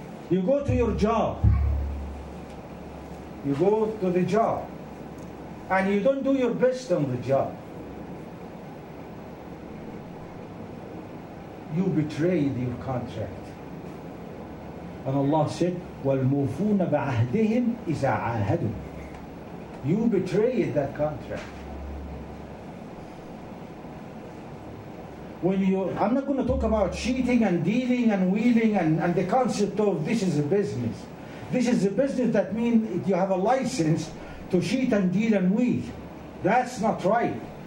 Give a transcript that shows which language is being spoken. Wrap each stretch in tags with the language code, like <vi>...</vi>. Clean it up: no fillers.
<en>You go to your job. You go to the job. And you don't do your best on the job. You betrayed your contract. And Allah said,</en> <ar>وَالْمُوفُونَ بَعَهْدِهِمْ إِذَا عَاهَدُوا.</ar> <en>You betrayed that contract. When you, I'm not going to talk about cheating and dealing and wheeling and the concept of this is a business. This is a business that means you have a license to cheat and deal and wheel. That's not right.</en>